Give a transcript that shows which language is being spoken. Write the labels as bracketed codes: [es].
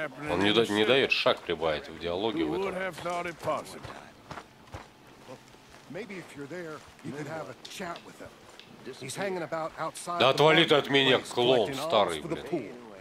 [ru] Он не дает шаг прибавить в диалоге в этом. [en] Maybe if you're there, you could have a chat with him. He's hanging about outside. [ru] Да отвали ты от меня, клоун старый, блин.